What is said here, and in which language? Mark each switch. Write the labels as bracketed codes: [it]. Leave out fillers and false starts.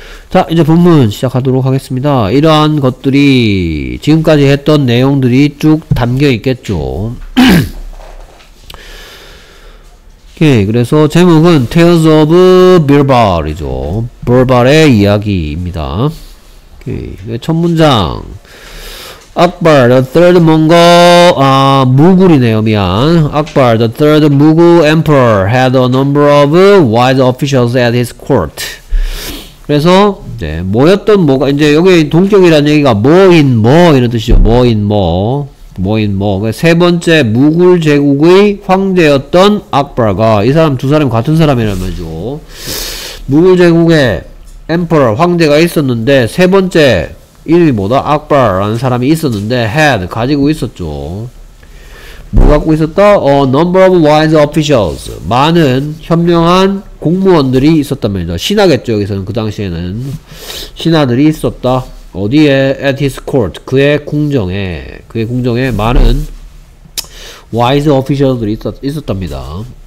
[ko] 자, 이제 본문 시작하도록 하겠습니다. 이러한 것들이 지금까지 했던 내용들이 쭉 담겨 있겠죠. 오케이, 그래서 제목은 Tales of Birbal이죠. Birbal의 이야기입니다. 오케이, 첫 문장. [en] Akbar, the third Mongol, [ko] 아, 무굴이네요, 미안. [en] Akbar, the third Mughal emperor, had a number of wise officials at his court. [ko] 그래서, 이제, 뭐였던 뭐가, 이제 여기 동격이라는 얘기가 뭐인 뭐, 이런 뜻이죠. 뭐인 뭐. 뭐인 뭐. 세 번째 무굴 제국의 황제였던 악바가, 이 사람 두 사람이 같은 사람이란 말이죠. 무굴 제국의 emperor, 황제가 있었는데, 세 번째, 이름이 뭐다? 악바라는 사람이 있었는데 had 가지고 있었죠. 뭐 갖고 있었다? [en] A number of wise officials. [ko] 많은 현명한 공무원들이 있었단 말이죠. 신하겠죠. 여기서는 그 당시에는 신하들이 있었다. 어디에? [en] At his court. [ko] 그의 궁정에. 그의 궁정에 많은 [en] wise officials [ko] 들이 있었답니다.